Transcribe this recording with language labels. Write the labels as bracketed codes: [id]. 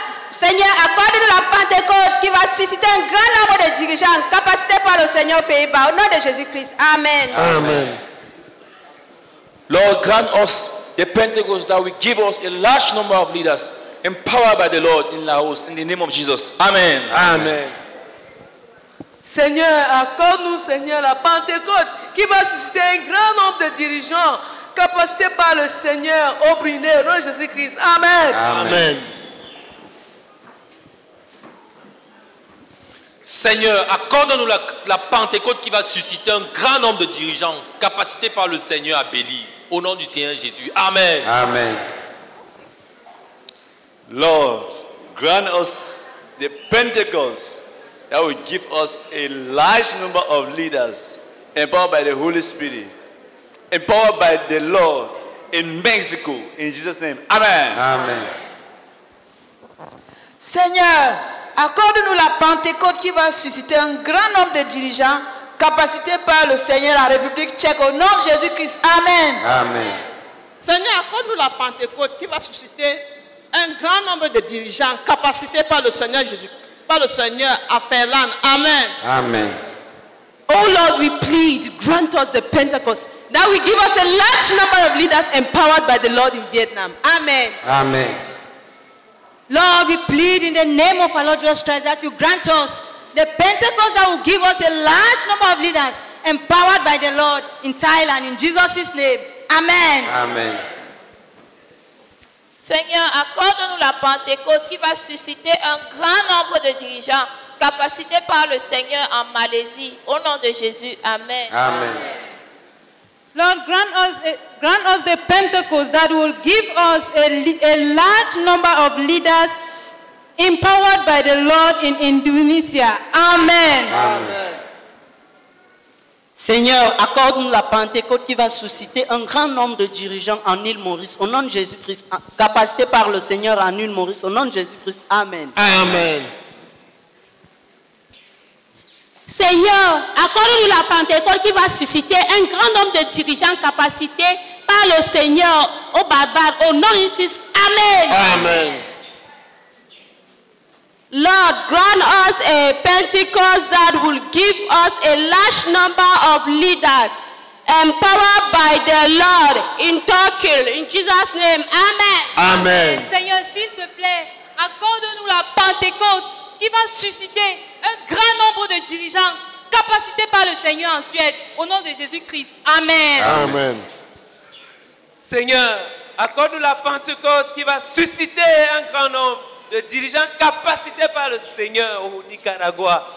[fr] Seigneur, accorde-nous la Pentecôte qui va susciter un grand nombre de dirigeants capacités par le Seigneur Pays-Bas. Au nom de Jésus-Christ, amen. Amen. [en] Lord, grant us the Pentecost that will give us a large number of leaders empowered by the Lord in Laos, in the name of Jesus. Amen. Amen. [fr] Seigneur, accorde-nous, Seigneur, la Pentecôte qui va susciter un grand nombre de dirigeants capacité par le Seigneur au Brunei, au nom de Jésus-Christ. Amen. Amen. Seigneur, accorde-nous la Pentecôte qui va susciter un grand nombre de dirigeants capacités par le Seigneur à Belize, au nom du Seigneur Jésus. Amen. Amen. [en] Lord, grant us the Pentecost that will give us a large number of leaders empowered by the Holy Spirit, empowered by the Lord in Mexico, in Jesus' name. Amen. Amen. [fr] Seigneur, accorde-nous la Pentecôte qui va susciter un grand nombre de dirigeants capacités par le Seigneur à la République tchèque, au nom de Jésus-Christ. Amen. Amen. Seigneur, accorde-nous la Pentecôte qui va susciter un grand nombre de dirigeants capacités par le Seigneur Jésus, par le Seigneur à Finlande. Amen. Amen. [en] Oh Lord, we plead, grant us the Pentecost that will give us a large number of leaders empowered by the Lord in Vietnam. Amen. Amen. Lord, we plead in the name of our Lord Jesus Christ that you grant us the Pentecost that will give us a large number of leaders empowered by the Lord in Thailand, in Jesus' name. Amen. Amen. [fr] Seigneur, accorde-nous la Pentecôte qui va susciter un grand nombre de dirigeants capacités par le Seigneur en Malaisie. Au nom de Jésus, amen. Amen. [en] Lord, grant us the Pentecost that will give us a large number of leaders empowered by the Lord in Indonesia. Amen. Amen. [fr] Seigneur, accorde-nous la Pentecôte qui va susciter un grand nombre de dirigeants en île Maurice. Au nom de Jésus-Christ, capacité par le Seigneur en île Maurice. Au nom de Jésus-Christ, amen. Amen. Seigneur, accorde-nous la Pentecôte qui va susciter un grand nombre de dirigeants capacités par le Seigneur au Barbade. Au nom de Jésus-Christ, amen. Amen. [en] Lord, grant us a Pentecost that will give us a large number of leaders empowered by the Lord in Turkey. In Jesus' name, amen. Amen. [fr] Seigneur, s'il te plaît, accorde-nous la Pentecôte qui va susciter un grand nombre de dirigeants capacités par le Seigneur en Suède. Au nom de Jésus-Christ, amen. Amen. Seigneur, accorde-nous la Pentecôte qui va susciter un grand nombre de dirigeants capacités par le Seigneur au Nicaragua.